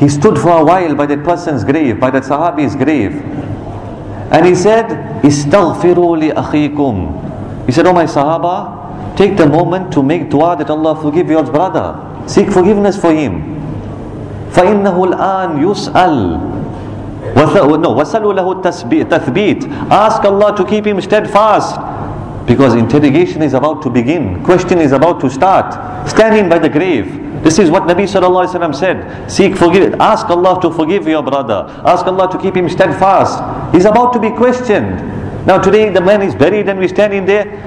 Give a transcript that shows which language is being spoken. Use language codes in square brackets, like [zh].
[en] He stood for a while by that person's grave, by that sahabi's grave. And he said, [ar] istaghfiru li akhikum. [en] He said, oh my sahaba, take the moment to make dua that Allah forgive your brother. Seek forgiveness for him. [ar] فَإِنَّهُ الْآنْ يُسْأَلْ. No, وَسَلُوا لَهُ التَّثْبِيتِ. [en] Ask Allah to keep him steadfast. Because interrogation is about to begin. Question is about to start. Standing by the grave. This is what Nabi sallallahu alayhi wa sallam said. Seek forgiveness. Ask Allah to forgive your brother. Ask Allah to keep him steadfast. He's about to be questioned. Now today the man is buried and we're standing there.